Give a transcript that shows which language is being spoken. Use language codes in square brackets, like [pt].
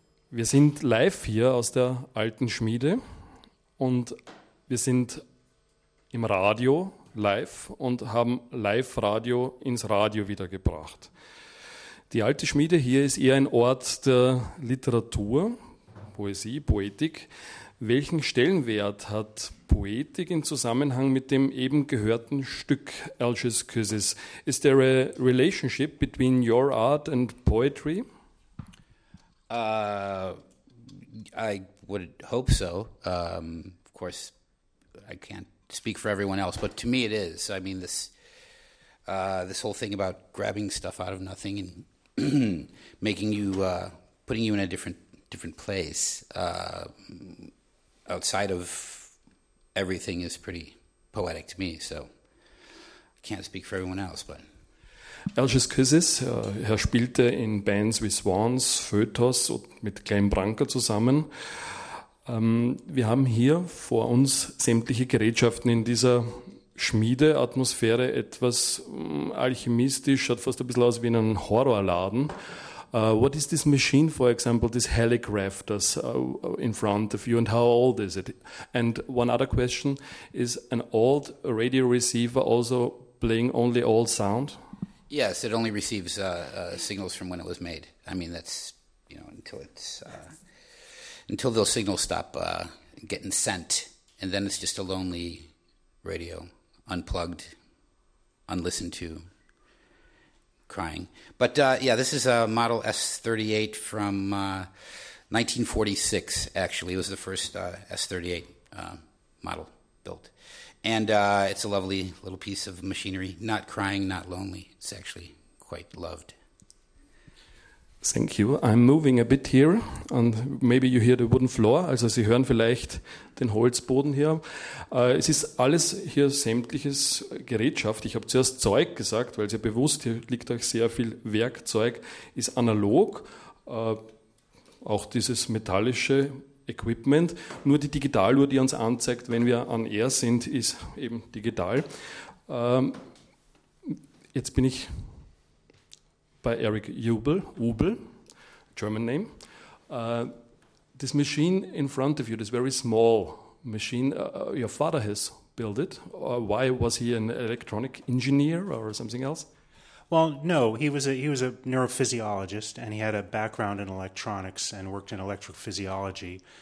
[de] Wir sind live hier aus der alten Schmiede und wir sind im Radio live und haben Live-Radio ins Radio wiedergebracht. Die alte Schmiede hier ist eher ein Ort der Literatur, Poesie, Poetik. Welchen Stellenwert hat Poetik im Zusammenhang mit dem eben gehörten Stück Elches Kisses? [en] Is there a relationship between your art and poetry? I would hope so. Of course, I can't speak for everyone else, but to me it is. I mean, this whole thing about grabbing stuff out of nothing and making you, putting you in a different place, outside of everything is pretty poetic to me, so I can't speak for everyone else, but. [de] Elches Kisses, er spielte in Bands wie Swans, Fötos und mit Glenn Branca zusammen. Wir haben hier vor uns sämtliche Gerätschaften in dieser Schmiedeatmosphäre, etwas alchemistisch, schaut fast ein bisschen aus wie in einem Horrorladen. [en] What is this machine, for example, this Helic Rafters in front of you, and how old is it? And one other question, is an old radio receiver also playing only old sound? Yes, it only receives signals from when it was made. I mean, that's, you know, until it's until those signals stop getting sent, and then it's just a lonely radio, unplugged, unlistened to, crying. But yeah, this is a Model S-38 from 1946. Actually, it was the first S-38 model built. And it's a lovely little piece of machinery. Not crying, not lonely. It's actually quite loved. Thank you. I'm moving a bit here. And maybe you hear the wooden floor. [de] Also Sie hören vielleicht den Holzboden hier. Es ist alles hier sämtliches Gerätschaft. Ich habe zuerst Zeug gesagt, weil es ja bewusst, hier liegt auch sehr viel Werkzeug, ist analog. Auch dieses metallische Equipment. Nur die Digitaluhr, die uns anzeigt, wenn wir on air sind, ist eben digital. Jetzt bin ich bei Eric Ubel, [en] German name. This machine in front of you, this very small machine, your father has built it. Why was he an electronic engineer or something else? Well, no, he was a neurophysiologist, and he had a background in electronics and worked in electric physiology.